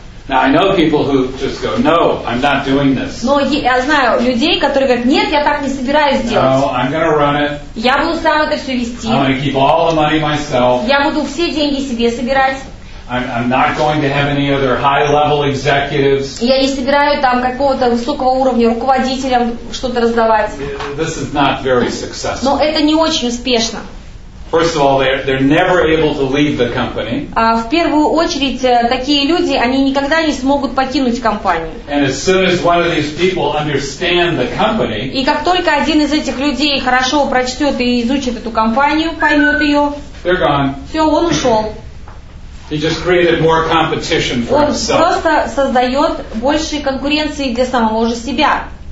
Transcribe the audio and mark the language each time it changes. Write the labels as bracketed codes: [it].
[en] Now I know people who just go, no, I'm not doing this. [ru] Но я знаю людей, которые говорят, нет, я так не собираюсь делать. [en] No, I'm going to run it. [ru] Я буду сам это все вести. [en] I'm going to keep all the money myself. [ru] Я буду все деньги себе собирать. [en] I'm not going to have any other high-level executives. [ru] Я не собираю там какого-то высокого уровня руководителям что-то раздавать. [en] This is not very successful. [ru] Но это не очень успешно. [en] First of all, they're never able to leave the company. [ru] В первую очередь, такие люди, они никогда не смогут покинуть компанию. [en] And as soon as one of these people understand the company, [ru] и как только один из этих людей хорошо прочтет и изучит эту компанию, поймет ее, [en] they're gone. [ru] Все, он ушел. [en] He just created more competition for himself. [ru] Он просто создает больше конкуренции для самого же себя.